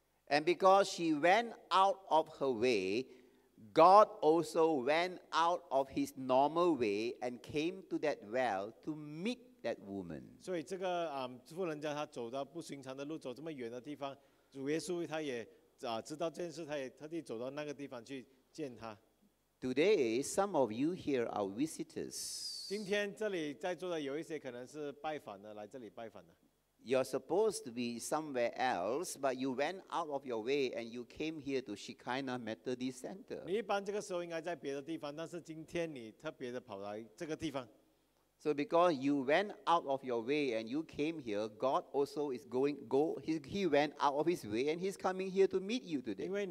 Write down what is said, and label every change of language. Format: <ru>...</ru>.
<en>And because she went out of her way, God also went out of His normal way and came to that well to meet that woman.</en> <zh>所以这个妇人家她走到不寻常的路，走这么远的地方，主耶稣他也知道这件事，他也特地走到那个地方去见她。</zh> <en>Today, some of you here are visitors.</en> <zh>今天这里在座的有一些可能是拜访的，来这里拜访的。</zh> <en>You're supposed to be somewhere else, but you went out of your way and you came here to Shekinah Methodist Center.</en> <zh>你一般这个时候应该在别的地方，但是今天你特别的跑来这个地方。</zh> <en>So because you went out of your way and you came here, God also is going go. He went out of His way and He's coming here to meet you today.</en>